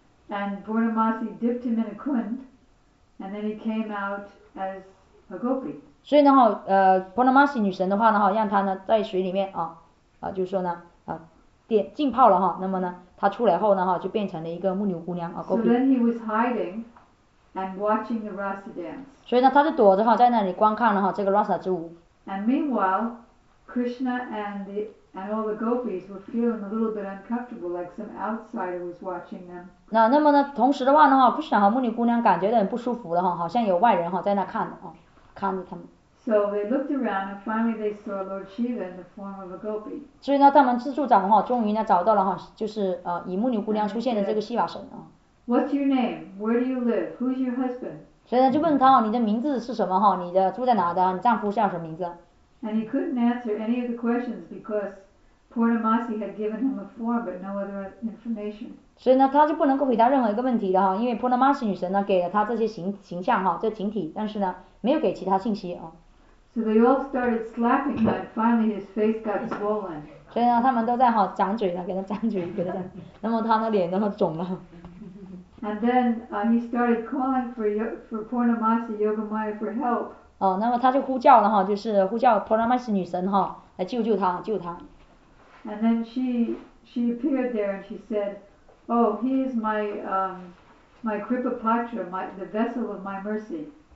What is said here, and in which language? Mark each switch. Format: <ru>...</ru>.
<en>And Vanmasi dipped him in a kund, and then he came out as a gopi.</en> <zh>所以呢哈Vanmasi 女神的话呢哈让他呢在水里面啊。就是说呢电浸泡了哈，那么呢他出来后呢哈就变成了一个牧牛姑娘啊。</zh> <en>So then he was hiding and watching the Rasa dance.</en> <zh>所以呢他就躲着哈在那里观看了哈这个 Rasa 之舞。</zh> <en>And meanwhile, Krishna and all the gopis were feeling a little bit uncomfortable, like some outsider was watching them.</en> <zh>那么呢同时的话呢哈 Krishna 和牧牛姑娘感觉到很不舒服了哈，好像有外人哈在那看着啊，看着他们。</zh> <en>So they looked around and finally they saw Lord Shiva in the form of a gopi.</en> <zh>所以呢，他们自助长的话，终于呢找到了哈，就是以牧牛姑娘出现的这个希瓦神啊。</zh> <en>What's your name? Where do you live? Who's your husband?</en> <zh>所以呢，就问他你的名字是什么哈？你的住在哪的？你丈夫叫什么名字</zh> <en>？And he couldn't answer any of the questions because Purnamasi had given him a form but no other information.</en> <zh>所以呢，他就不能够回答任何一个问题的哈，因为 Purnamasi 女神呢给了他这些形象哈，这形体，但是呢没有给其他信息啊。</zh> <en>So they all started slapping him, and finally his face got swollen.</en> <zh>所以呢，他们都在哈掌嘴呢，给他掌嘴，给他掌。那么他的脸都肿了。</zh> <en>And then he started calling for Purnamasi Yogamaya for help.</en> <zh>哦，那么他就呼叫了哈，就是呼叫 Purnamasi 女神哈来救救他，救他。</zh> <en>And then she appeared there and she said, "Oh, he is my Kripa Patra, the vessel of my mercy."</en>